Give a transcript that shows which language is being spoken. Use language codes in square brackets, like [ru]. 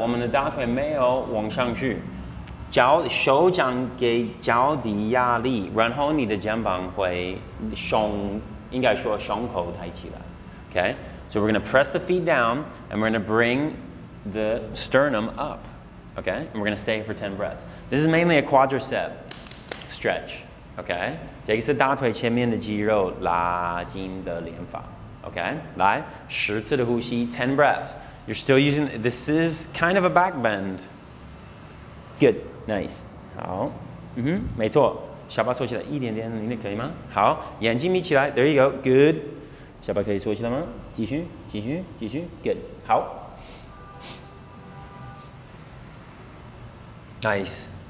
[zh] 我们的大腿没有往上去。手掌给脚底压力，然后你的肩膀会胸，应该说胸口抬起来。 [en] Okay, so we're gonna press the feet down, and we're gonna bring the sternum up. Okay, and we're gonna stay for 10 breaths. This is mainly a quadricep stretch. [zh] Okay, 这个是大腿前面的肌肉拉筋的练法。 Okay, 来, 10次的呼吸, [en] 10 breaths. You're still using, this is kind of a back bend. Good, nice. [zh] 好, 没错, 下巴缩起来一点点, 你可以吗? 好, 眼睛眯起来, [en] there you go, good. [zh] 下巴可以缩起来吗? 继续, 继续, 继续, good, 好。 [en] Nice.